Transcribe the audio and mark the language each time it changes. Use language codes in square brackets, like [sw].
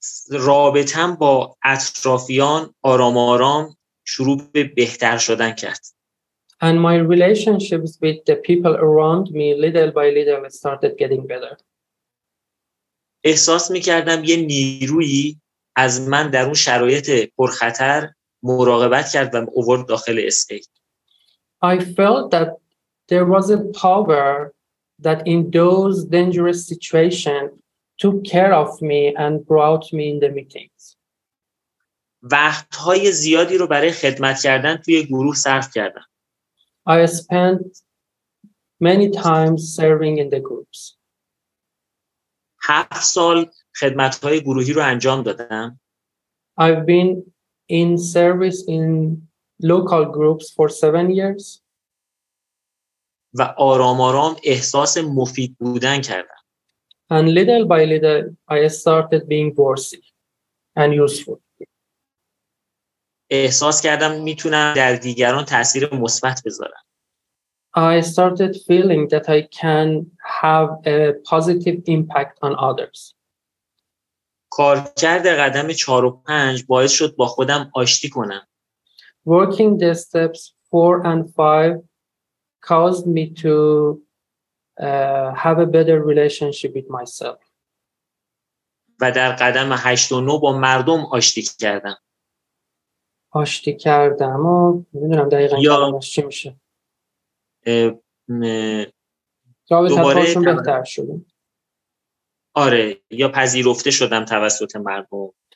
[fa] رابطم با اطرافیان آرام آرام شروع به بهتر شدن کرد. [en] And my relationships with the people around me little by little started getting better. [fa] احساس می‌کردم یه نیرویی از من در اون شرایط پرخطر مراقبت کرد و آورد داخل اسکیپ. [en] I felt that there was a power that in those dangerous situations took care of me and brought me in the meetings. [fa] وقت‌های زیادی رو برای خدمت کردن توی گروه صرف کردم. [en] I spent many times serving in the groups. [fa] 7 سال خدمت‌های گروهی رو انجام دادم. [en] I've been in service in local groups for 7 years. [fa] و آرام آرام احساس مفید بودن کردم. [en] And little by little I started being worthy and useful. [fa] احساس کردم میتونم در دیگران تاثیر مثبت بذارم. [en] I started feeling that I can have a positive impact on others. [fa] کارکرد قدم 4 و 5 باعث شد با خودم آشتی کنم. [en] Working the steps 4 and 5 caused me to have a better relationship with myself. [fa] و در قدم 8 و 9 با مردم آشتی کردم. آشتی کردم و نمی‌دونم دقیقاً کلمش چی میشه. دوباره بهتر شدم. آره یا پذیرفته شدم توسط مردم.